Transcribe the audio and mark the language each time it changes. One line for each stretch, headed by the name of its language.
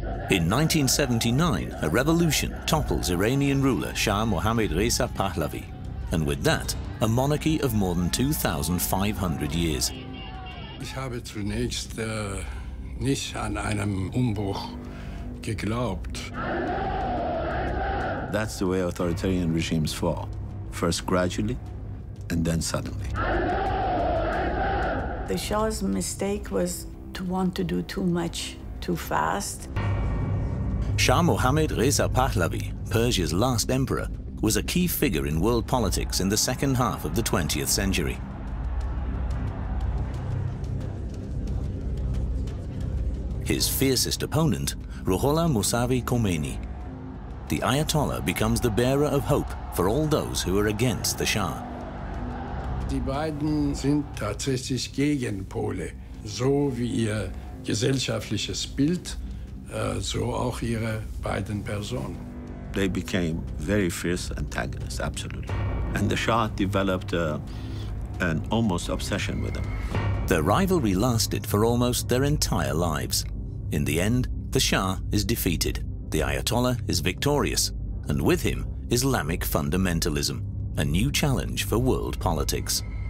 English: In 1979, a revolution topples Iranian ruler Shah Mohammad Reza Pahlavi, and with that, a monarchy of more than 2,500 years.
German: Ich habe zunächst nicht an einem Umbruch geglaubt.
English: That's the way authoritarian regimes fall. First gradually, and then suddenly. The Shah's mistake was to want to do too much too fast. Shah Mohammad Reza Pahlavi, Persia's last emperor, was a key figure in world politics in the second half of the 20th century. His fiercest opponent, Ruhollah Mousavi Khomeini. The Ayatollah becomes the bearer of hope for all those who are against the Shah.
German: Die beiden sind tatsächlich Gegenpole, so wie ihr gesellschaftliches Bild, so auch ihre beiden Personen.
English: They became very fierce antagonists, absolutely. And the Shah developed an almost obsession with them. Their rivalry lasted for almost their entire lives. In the end, the Shah is defeated. The Ayatollah is victorious, and with him, Islamic fundamentalism, a new challenge for world politics.